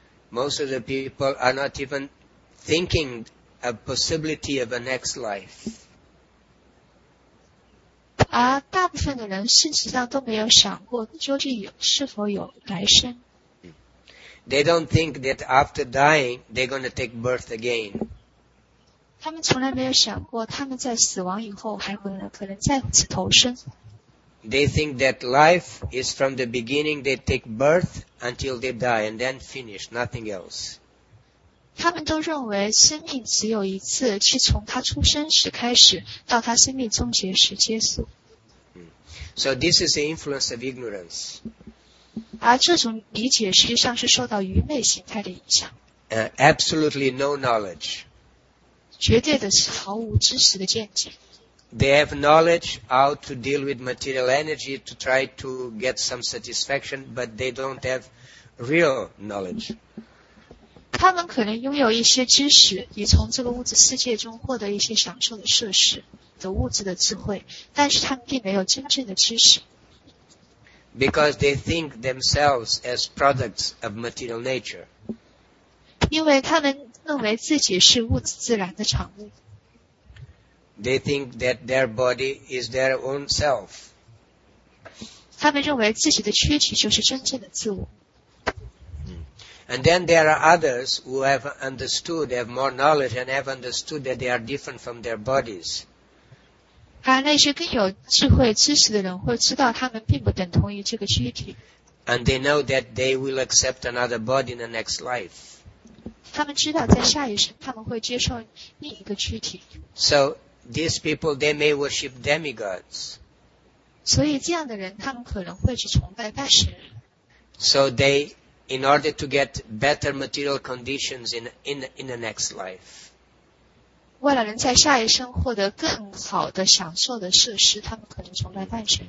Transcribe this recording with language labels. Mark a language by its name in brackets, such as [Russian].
[English] Most of the people are not even thinking a possibility of a next life. [Chinese] 大部分的人事实上都没有想过究竟是否有来生。 [English] They don't think that after dying they're going to take birth again. [Chinese] 他们从来没有想过他们在死亡以后还可能再次投生。 [English] They think that life is from the beginning, they take birth until they die and then finish, nothing else. [Chinese] 他们都认为生命只有一次，是从他出生时开始到他生命终结时结束。 [English] So this is the influence of ignorance. [Chinese] 而这种理解实际上是受到愚昧心态的影响。 [English] Absolutely no knowledge. [Chinese] 绝对的是毫无知识的见解。 [English] They have knowledge how to deal with material energy to try to get some satisfaction, but they don't have real knowledge. [Chinese] 他们可能拥有一些知识，以从这个物质世界中获得一些享受的设施的物质的智慧，但是他们并没有真正的知识。 [English] Because they think themselves as products of material nature. [Chinese] 因为他们认为自己是物质自然的产物。 [English] They think that their body is their own self. [Chinese] 他们认为自己的躯体就是真正的自我。 [English] And then there are others who have understood, have more knowledge and have understood that they are different from their bodies. [Chinese] 而那些更有智慧知识的人会知道他们并不等同于这个躯体。 [English] And they know that they will accept another body in the next life. [Chinese] 他们知道在下一生他们会接受另一个躯体。 [English] So,These people, they may worship demigods. [Chinese] 所以这样的人他们可能会去崇拜拜神。 [English] So they, in order to get better material conditions in the next life. [Chinese] 为了能在下一生获得更好的享受的设施他们可能崇拜拜神。